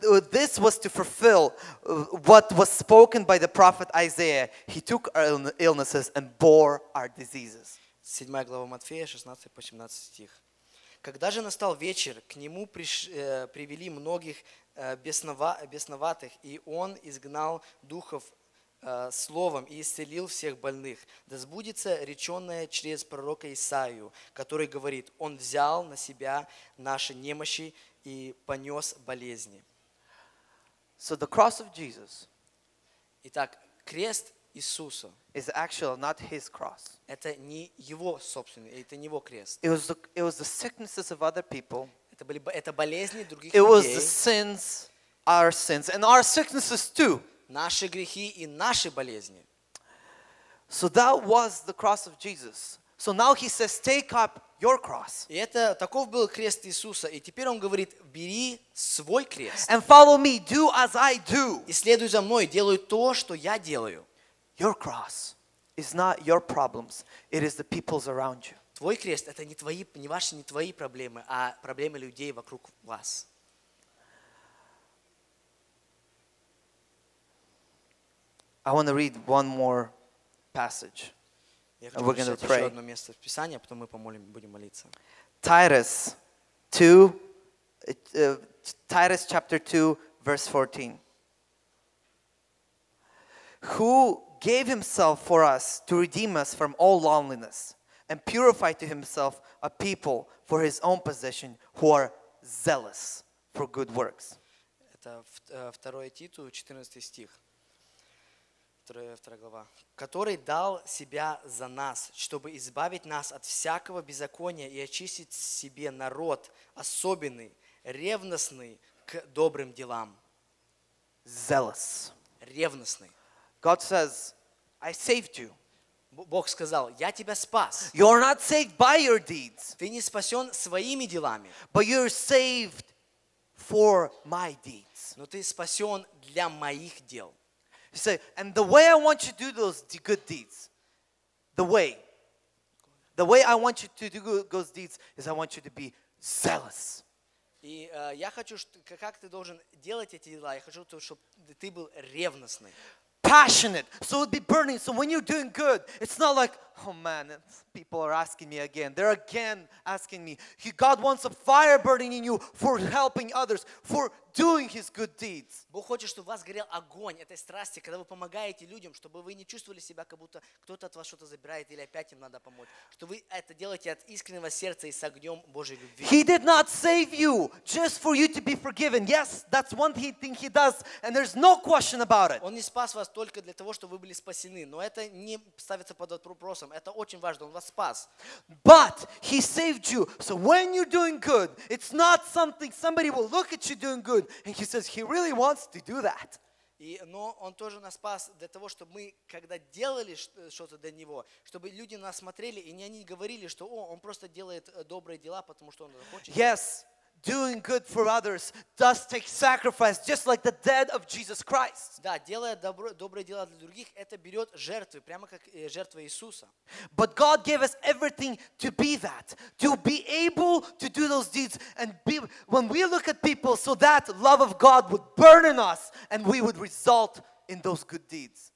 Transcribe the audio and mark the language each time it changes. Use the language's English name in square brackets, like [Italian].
[English] This was to fulfill what was spoken by the prophet Isaiah. He took our illnesses and bore our diseases. [Russian] 7 глава Матфея, 16-18 стих. Когда же настал вечер, к нему привели многих бесноватых, и он изгнал духов словом и исцелил всех больных. Да сбудется реченное через пророка Исаию, который говорит, он взял на себя наши немощи и понес болезни. [English] So the cross of Jesus. [Russian] Итак, крест Иисуса. [English] Is actually not his cross. [Russian] Это не его собственный, это не его крест. [English] It was the sicknesses of other people. [Russian] Это болезни других людей. [English] It was the sins, and our sicknesses too. [Russian] Наши грехи и наши болезни. [English] So that was the cross of Jesus. So now he says, take up your cross. [Russian] И это таков был крест Иисуса, и теперь он говорит, бери свой крест. [English] And follow me, do as I do. [Russian] И следуй за мной, делай то, что я делаю. [English] Your cross is not your problems; it is the people's around you. [Russian] Твой крест это не твои проблемы, а проблемы людей вокруг вас. [English] I want to read one more passage. And we're going to pray. [Russian] Еще одно место в Писании, потом мы помолим, будем молиться. [English] Titus chapter 2, verse 14. Who gave himself for us to redeem us from all lawlessness and purify to himself a people for his own possession who are zealous for good works. [Russian] Это 2 Титу, 14 стих. Вторая глава, который дал себя за нас, чтобы избавить нас от всякого беззакония и очистить себе народ особенный, ревностный к добрым делам. [English] Zealous. [Russian] Ревностный. [English] God says, I saved you. [Russian] Бог сказал, я тебя спас. [English] You're not saved by your deeds. [Russian] Ты не спасен своими делами. [English] But you're saved for my deeds. [Russian] Но ты спасен для моих дел. [English] You say, and the way I want you to do those good deeds, the way I want you to do those deeds is I want you to be zealous. [Russian] И я хочу, как ты должен делать эти дела, я хочу, чтобы ты был ревностный. [English] Passionate, so it would be burning. So when you're doing good, it's not like, oh man, people are asking me again. They're again asking me. God wants a fire burning in you for helping others, for doing His good deeds. [Russian] Бог хочет, чтобы у вас горел огонь этой страсти, когда вы помогаете людям, чтобы вы не чувствовали себя, как будто кто-то от вас что-то забирает или опять им надо помочь. Что вы это делаете от искреннего сердца и с огнем Божьей любви. [English] He did not save you just for you to be forgiven. Yes, that's one thing He does, and there's no question about it. [Russian] Он не спас вас только для того, чтобы вы были спасены, но это не ставится под вопросом. Это очень важно. Он вас спас. [English] But He saved you, so when you're doing good, it's not something somebody will look at you doing good. And he says he really wants to do that. [Russian] И, но он тоже нас спас для того, чтобы мы, когда делали что-то для него, чтобы люди нас смотрели и не они говорили, что о, он просто делает добрые дела, потому что он хочет. [English] Yes, doing good for others does take sacrifice, just like the death of Jesus Christ. [Russian] Да, делая добрые дела для других, это берет жертвы, прямо как жертва Иисуса. [English] But God gave us everything to be that, to be able to do those deeds, and be, when we look at people, so that love of God would burn in us, and we would result in those good deeds.